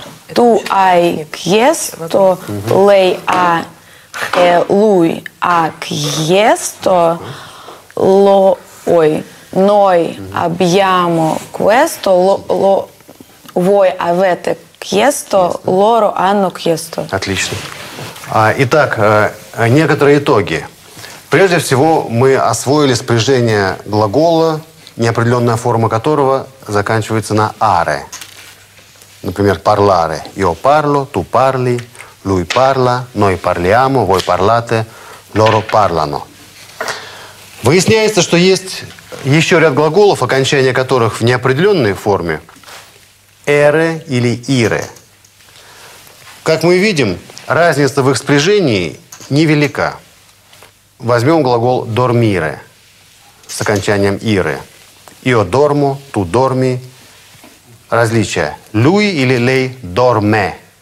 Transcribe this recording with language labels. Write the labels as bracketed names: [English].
[Italian] Tu hai chiesto, lei ha, lui ha chiesto, noi abbiamo questo, voi avete chiesto, loro hanno chiesto. [Russian] Отлично. Итак, некоторые итоги. Прежде всего, мы освоили спряжение глагола, неопределенная форма которого заканчивается на «are». Например, «parlare». [Italian] «Io parlo», «tu parli», «lui parla», «noi parliamo», «voi parlate», «loro parlano». [Russian] Выясняется, что есть еще ряд глаголов, окончания которых в неопределенной форме «ere» или «ire». Как мы видим, разница в их спряжении невелика. Возьмем глагол «dormire» с окончанием «ire». [Italian] «Io dormo», «tu dormi». [Russian] Различия. [Italian] «Lui» или «lei» – «dorme».